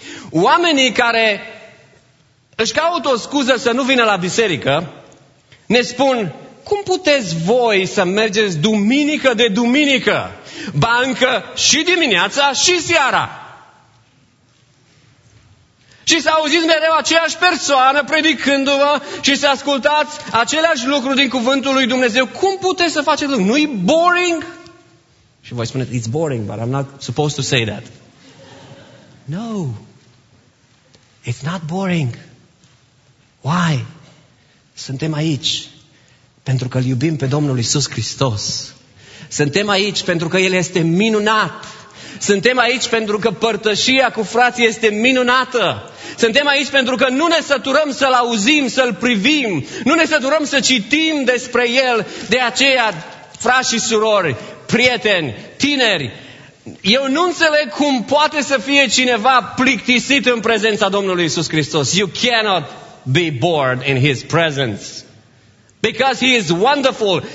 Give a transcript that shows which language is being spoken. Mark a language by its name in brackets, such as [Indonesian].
[Romanian] Oamenii care își caută o scuză să nu vină la biserică, ne spun, cum puteți voi să mergeți duminică de duminică, ba încă și dimineața și seara? Și să auziți mereu aceeași persoană predicându-vă și să ascultați aceleași lucruri din cuvântul lui Dumnezeu. Cum puteți să faceți lucruri? Nu-i boring? Și voi spuneți, [English] it's boring, but I'm not supposed to say that. No, it's not boring. Why? [Romanian] Suntem aici pentru că îl iubim pe Domnul Iisus Hristos. Suntem aici pentru că El este minunat. Suntem aici pentru că părtășia cu frații este minunată. Suntem aici pentru că nu ne săturăm să-L auzim, să-L privim. Nu ne săturăm să citim despre El. De aceea, frați și surori, prieteni, tineri, eu nu înțeleg cum poate să fie cineva plictisit în prezența Domnului Iisus Hristos. [English] You cannot be bored in His presence. Because He is wonderful.